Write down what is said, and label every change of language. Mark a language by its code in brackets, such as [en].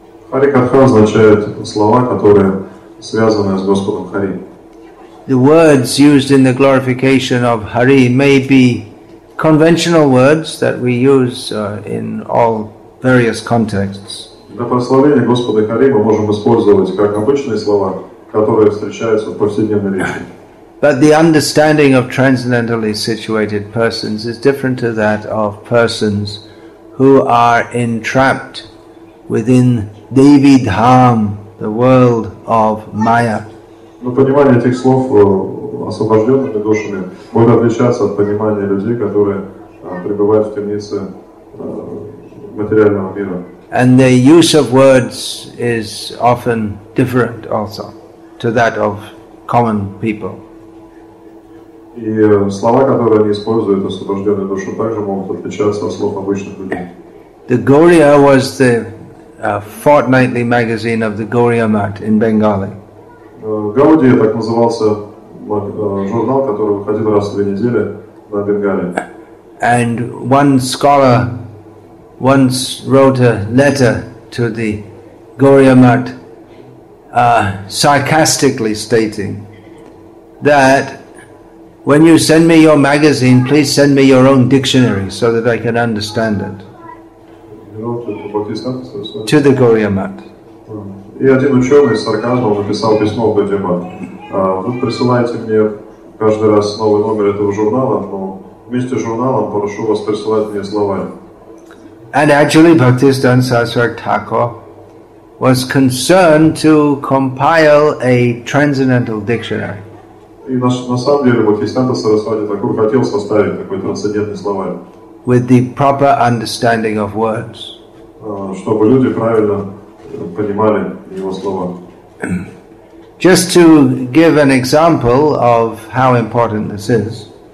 [ru] Харикатха означает слова, которые связаны с Господом Хари. [en] The words used in the glorification of Hari may be conventional words that we use in all various contexts. [ru] Для прославления Господа Хари мы можем использовать как обычные слова, которые встречаются в повседневной речи. [en] But the understanding of transcendentally situated persons is different to that of persons who are entrapped within Devi Dham, the world of Maya. [ru] Но понимание этих слов освобожденными душами может отличаться от понимания людей, которые пребывают в темнице материального мира. [en] And the use of words is often different also to that of common people. [ru] И слова, которые они используют, освобожденные души, также могут отличаться от слов обычных людей. [en] The Gaudiya was the fortnightly magazine of the Gaudiya Math in Bengali. [ru] Гаудия, так назывался журнал, который выходил раз в две недели на Бенгале. [en] And one scholar once wrote a letter to the Gaudiya Math, sarcastically stating that when you send me your magazine, please send me your own dictionary so that I can understand it. To the Gaudiya Math. [ru] И один ученый с сарказмом написал письмо в Gaudiya Math. Вы присылаете мне каждый раз новый номер этого журнала, но вместе с журналом прошу вас присылать мне словарь. [en] And actually Bhaktisiddhanta Saraswati Thakur was concerned to compile a transcendental dictionary. [ru] И на самом деле Бхактисиддханта Сарасвати Такур хотел составить такой трансцендентный словарь. [en] With the proper understanding of words. [ru] Чтобы люди правильно понимали. [en] Just to give an example of how important this is.